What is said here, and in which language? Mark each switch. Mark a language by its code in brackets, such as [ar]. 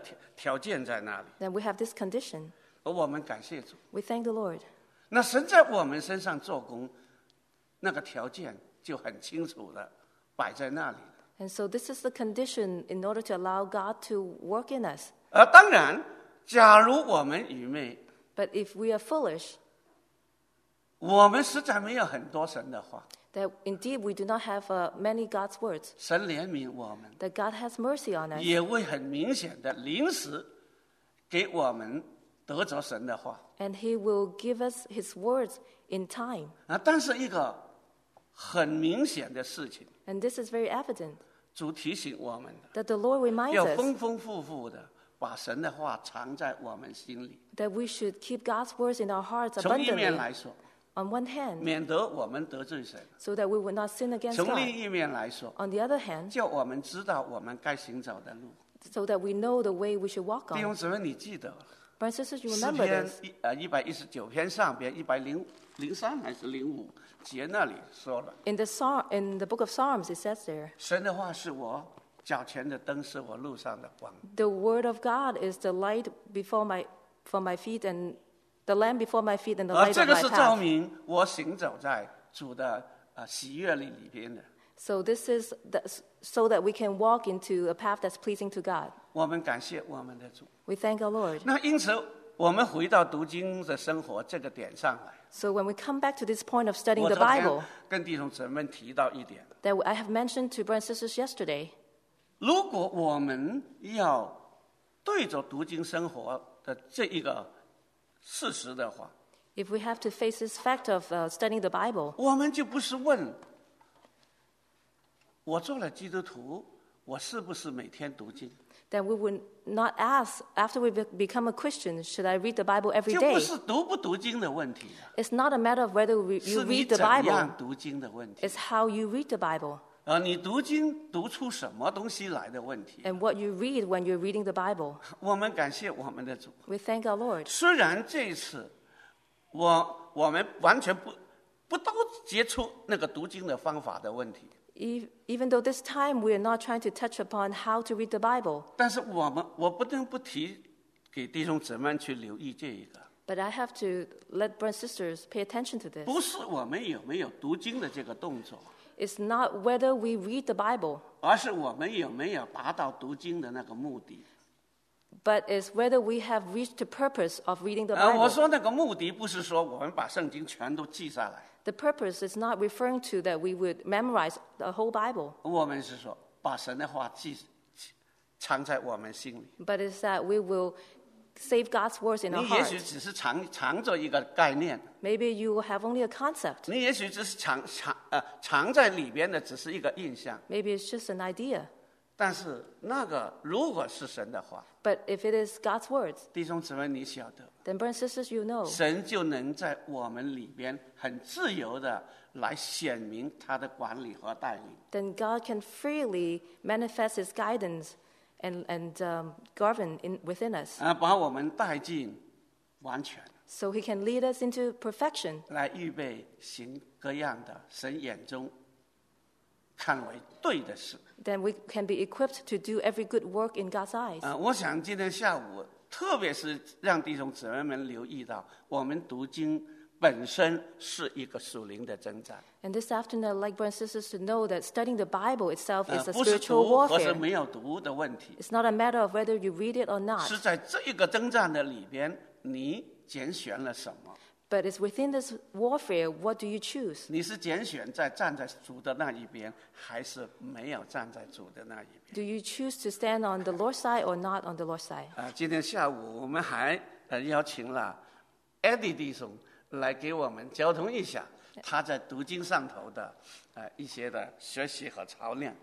[zh] 我们有这样的一个条件在那里。 [en] Then we have this condition. [zh] 而我们感谢主。 [en] We thank the Lord. [zh] 那神在我们身上做工, 那个条件就很清楚地摆在那里。 [en] And so this is the condition in order to allow God to work in us. [zh] 而当然, 假如我们愚昧, [en] But if we are foolish, [zh] 我们实在没有很多神的话。 [en] That indeed we do not have many God's words. [zh] 神怜悯我们。 [en] That God has mercy on us. [zh] 也会很明显的临时给我们得着神的话。 [en] And he will give us his words in time. [zh] 但是一个很明显的事情。 [en] And this is very evident. [zh] 主提醒我们的。 [en] That the Lord reminds us. [zh] 要丰丰富富的。把神的话藏在我们心里。 [en] That we should keep God's words in our hearts abundantly. [zh] 从一面来说。 [en] On one hand, [zh] 免得我们得罪神, [en] so that we would not sin against [zh] 从另一面来说, [en] God. On the other hand, [zh] 叫我们知道我们该行走的路, [en] so that we know the way we should walk on. [zh] 弟兄姊妹你记得, [en] Brothers and sisters, you remember [zh] 诗篇, [en] this. [zh] 119篇上边, 103还是05, 节那里说了, [en] in the book of Psalms, it says there, [zh] 神的话是我脚前的灯, 是我路上的光。 [en] The word of God is the light before my, for my feet and the lamp before my feet and the light of my path. [zh] 这个是照明我行走在主的喜悦里边的。 [en] So this is the, so that we can walk into a path that's pleasing to God. [zh] 我们感谢我们的主。 [en] We thank our Lord. [zh] 那因此我们回到读经的生活这个点上来。 [en] So when we come back to this point of studying the Bible, [zh] 我昨天跟弟兄姊妹们提到一点。 [en] That I have mentioned to brothers and sisters yesterday. [zh] 如果我们要对着读经生活的这一个事实的话。 [en] If we have to face this fact of studying the Bible, [zh] 我们就不是问我做了基督徒，我是不是每天读经？ [en] Then we would not ask after we become a Christian, should I read the Bible every day? [zh] 就不是读不读经的问题。 [en] It's not a matter of whether you read the Bible. [zh] 是你怎样读经的问题。 [en] It's how you read the Bible. [zh] 你读经读出什么东西来的问题。 [en] And what you read when you're reading the Bible. [zh] 我们感谢我们的主。 [en] We thank our Lord. [zh] 虽然这次我们完全不都接触那个读经的方法的问题。 [en] Even though this time we are not trying to touch upon how to read the Bible, [zh] 但是我不能不提给弟兄姊妹去留意这一个。 [en] But I have to let brothers and sisters pay attention to this. [zh] 不是我们有没有读经的这个动作。 [en] It's not whether we read the Bible. [zh] 而是我们有没有达到读经的那个目的。 [en] But it's whether we have reached the purpose of reading the Bible. [zh] 我说那个目的不是说我们把圣经全都记下来。 [en] The purpose is not referring to that we would memorize the whole Bible. [zh] 我们是说把神的话记藏在我们心里。 [en] But it's that we will save God's words in our hearts. [zh] 你也许只是藏着一个概念。 [en] Maybe you have only a concept. [zh] 你也许只是藏在里边的只是一个印象。 [en] Maybe it's just an idea. [zh] 但是那个如果是神的话。 [en] But if it is God's words, [zh] 弟兄姊妹你晓得。 [en] Then brothers and sisters, you know, [zh] 神就能在我们里边很自由的来显明他的管理和带领。 [en] Then God can freely manifest His guidance and govern within us. [zh] 把我们带进完全。 [en] So He can lead us into perfection. [zh] 来预备行各样的神眼中看为对的事。 [en] Then we can be equipped to do every good work in God's eyes. [zh] 我想今天下午。特别是让弟兄姊妹们留意到，我们读经本身是一个属灵的征战。 [en] And this afternoon, I'd like brothers and sisters to know that studying the Bible itself is a spiritual warfare. [zh] 不是读或是没有读的问题。 [en] It's not a matter of whether you read it or not. [zh] 是在这一个征战的里边，你拣选了什么 [en] ？But it's within this warfare, what do you choose? [zh] 你是拣选在站在主的那一边，还是没有站在主的那一边？ [en] Do you choose to stand on the Lord's side or not on the Lord's side? [zh] 今天下午我们还邀请了 Eddie 弟兄来给我们交通一下他在读经上头的一些的学习和操练。